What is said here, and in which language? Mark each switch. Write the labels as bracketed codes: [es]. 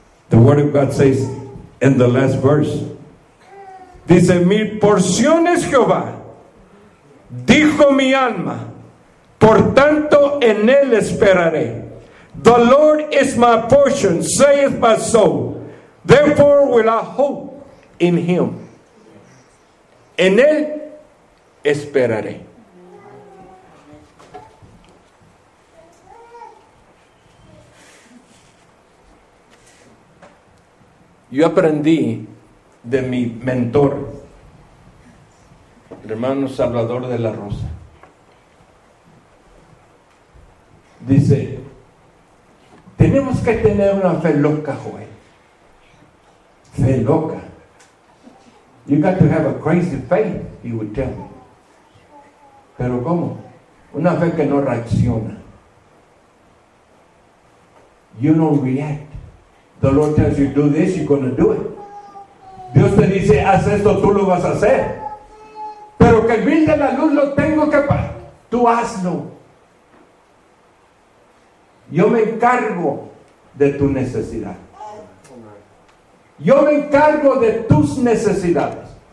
[en] The word of God says in the last verse. [es] Dice, mi porción es Jehová. Dijo mi alma, por tanto en él esperaré. [en] The Lord is my portion, saith my soul. Therefore will I hope in him. [es] En él esperaré. Yo aprendí de mi mentor, el hermano Salvador de la Rosa. Dice, tenemos que tener una fe loca, Joel. Fe loca. [en] You got to have a crazy faith, he would tell me. [es] Pero ¿cómo? Una fe que no reacciona. [en] You don't react. The Lord tells you, do this, you're going to do it. [es] Dios te dice, haz esto, tú lo vas a hacer. Pero que el bill de la luz lo tengo que pagar. Tú hazlo. Yo me encargo de tu necesidad. Yo me encargo de tus necesidades.